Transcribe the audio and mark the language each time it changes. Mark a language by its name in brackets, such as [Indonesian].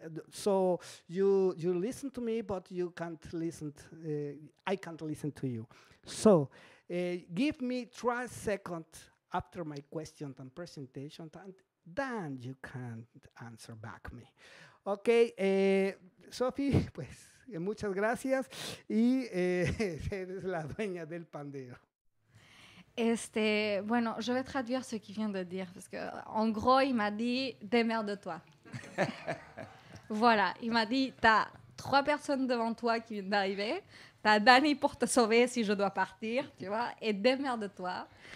[English] So you listen to me, but you can't listen. I can't listen to you. So give me 3 seconds after my question and presentation, and then you can answer back me. [Spanish] Okay, Sophie, pues muchas gracias y eres la dueña del pandero. [French] Bueno, je vais traduire ce qu'il vient de dire, parce que en gros, il m'a dit « démerde-toi ». Voilà, il m'a dit « t'as trois personnes devant toi qui viennent d'arriver. T'as Dani pour te sauver si je dois partir, tu vois, et démerde-toi.